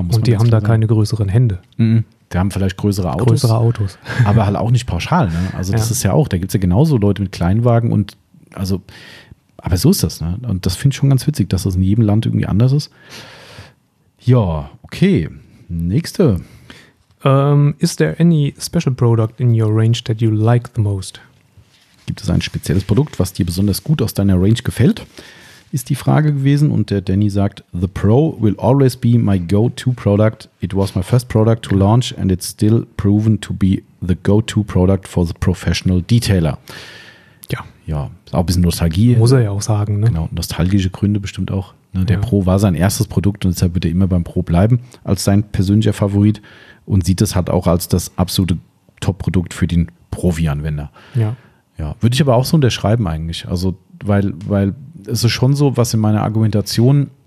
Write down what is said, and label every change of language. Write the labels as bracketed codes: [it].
[de] Muss und die haben da sagen. Keine größeren Hände. Mhm. Die haben vielleicht größere Autos. Aber halt auch nicht pauschal. Ne? Also das ist ja auch, da gibt es ja genauso Leute mit Kleinwagen und also, aber so ist das. Ne? Und das finde ich schon ganz witzig, dass das in jedem Land irgendwie anders ist. Ja, okay. Nächste. [en] Is there any special product in your range that you like the most? [de] Gibt es ein spezielles Produkt, was dir besonders gut aus deiner Range gefällt, ist die Frage gewesen. Und der Danny sagt, [en] the Pro will always be my go-to product. It was my first product to launch and it's still proven to be the go-to product for the professional detailer. [de] Ja. Ja, ist auch ein bisschen Nostalgie. Muss er ja auch sagen. Ne? Genau, nostalgische Gründe bestimmt auch. Ne? Der Pro war sein erstes Produkt und deshalb wird er immer beim Pro bleiben als sein persönlicher Favorit und sieht das halt auch als das absolute Top-Produkt für den Profi-Anwender. Ja. Ja, würde ich aber auch so unterschreiben eigentlich. Also, weil es ist schon so, was in meiner Argumentation